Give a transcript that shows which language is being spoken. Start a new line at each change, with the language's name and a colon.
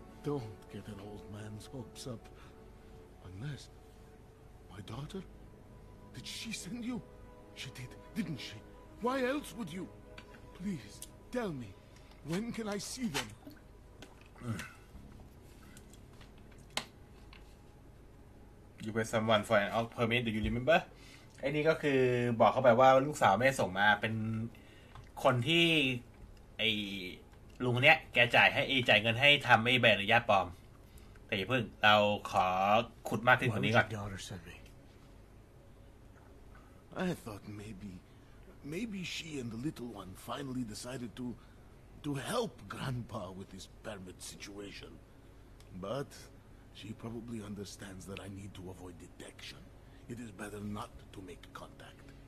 English: Don't get an old man's hopes up. Unless... My daughter? Did she send you? She did, didn't she? Why else would you? Please, tell me. When can I see them? You were someone for an old permit, do you remember?
Thai: ไอ้นี่ก็คือบอกเข้าไปว่าลูกสาวแม่ส่งมาเป็นคนที่ไอ้ลุงเนี้ยแกจ่ายให้จ่ายเงินให้ทำไอ้ใบอนุญาตปลอมแต่อย่าเพิ่งเราขอขุดมากขึ้นคนนี้ก่อน
English: I thought maybe she and the little one finally decided to help Grandpa with his permit situation but she probably understands that I need to avoid detection it is better not to make contact